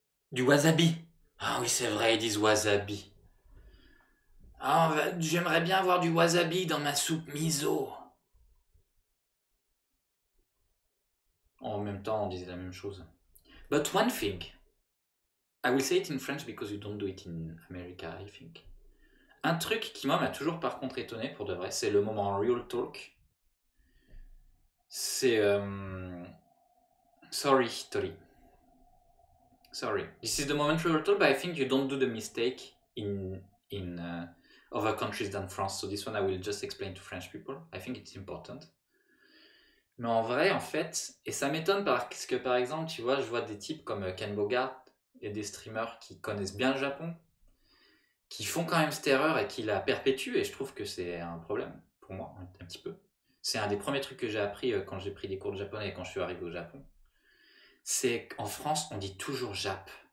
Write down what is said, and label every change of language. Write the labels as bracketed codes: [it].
[fr] Du wasabi. Ah oui, c'est vrai, ils disent wasabi. Ah, j'aimerais bien avoir du wasabi dans ma soupe miso. En même temps, on disait la même chose. [en] But one thing, I will say it in French because you don't do it in America, I think. [fr] Un truc qui moi m'a toujours par contre étonné pour de vrai, c'est le moment [en] real talk. [fr] C'est... [en] Sorry, this is the moment real talk, but I think you don't do the mistake in other countries than France. So this one I will just explain to French people. I think it's important. [fr] Mais en vrai, en fait, et ça m'étonne parce que, par exemple, tu vois, je vois des types comme Ken Bogart et des streamers qui connaissent bien le Japon, qui font quand même cette erreur et qui la perpétuent, et je trouve que c'est un problème pour moi, un petit peu. C'est un des premiers trucs que j'ai appris quand j'ai pris des cours de japonais et quand je suis arrivé au Japon. C'est qu'en France, on dit toujours Jap.